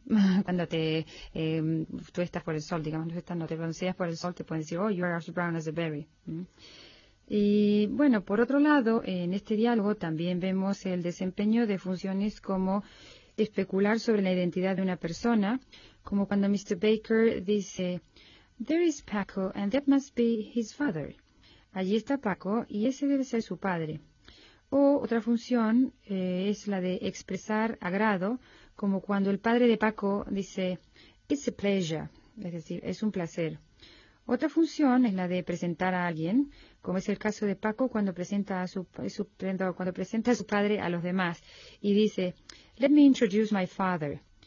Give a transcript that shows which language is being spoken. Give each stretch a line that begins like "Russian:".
Spanish: Cuando te tuestas por el sol, digamos, no te bronceas por el sol, te pueden decir,
English: oh, you are as brown as a berry.
Spanish: Y bueno, por otro lado, en este diálogo también vemos el desempeño de funciones como especular sobre la identidad de una persona, como cuando Mr.
English: Baker
Spanish: dice,
English: there is Paco and that must be his father.
Spanish: Allí está Paco y ese debe ser su padre. O otra función es la de expresar agrado, como cuando el padre de Paco dice,
English: it's a pleasure,
Spanish: es decir, es un placer. Otra función es la de presentar a alguien, como es el caso de Paco cuando presenta a su padre a los demás y dice,
English: let me introduce my father.